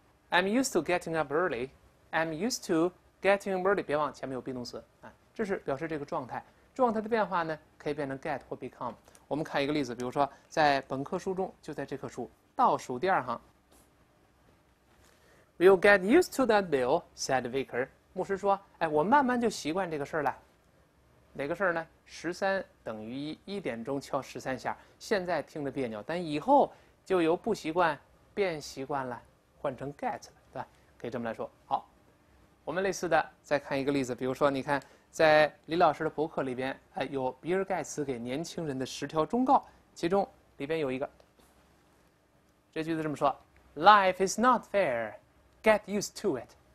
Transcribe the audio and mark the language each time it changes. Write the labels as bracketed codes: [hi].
[en] I'm used to getting up early. I'm used to getting early. [zh] 别忘前面有 be 动词，这是表示这个状态。状态的变化呢，可以变成 get 或 become。我们看一个例子，比如说在本课书中，就在这课书倒数第二行。 [en] We'll get used to that bill, said Vicar. [zh] 牧师说，哎，我慢慢就习惯这个事儿了。哪个事儿呢？ 13等于1，一点钟敲13下，现在听着别扭，但以后就由不习惯变习惯了。换成 get 了，对吧？可以这么来说。好，我们类似的再看一个例子，比如说，你看在李老师的博客里边，有比尔盖茨给年轻人的10条忠告，其中里边有一个，这句子这么说 ： [en] Life is not fair, get used to it.